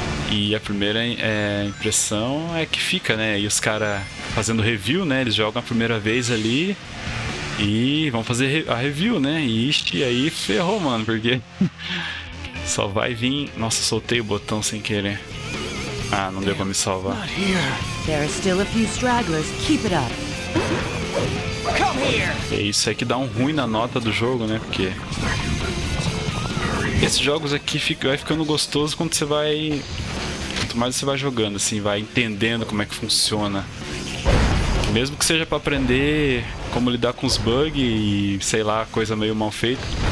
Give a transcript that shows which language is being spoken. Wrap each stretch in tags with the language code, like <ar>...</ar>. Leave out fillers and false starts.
<pt>E a primeira impressão é que fica, né? E os caras fazendo review, né? Eles jogam a primeira vez ali e vão fazer a review, né? E aí ferrou, mano, porque só vai vir. Nossa, soltei o botão sem querer. Ah, não deu pra me salvar.</pt> <en>There are still a few stragglers, keep it up.</en> <pt>É isso aí que dá um ruim na nota do jogo, né? Porque esses jogos aqui vai ficando gostoso quando você vai... quanto mais você vai jogando, assim, vai entendendo como é que funciona. Mesmo que seja pra aprender como lidar com os bugs e, sei lá, coisa meio mal feita.</pt>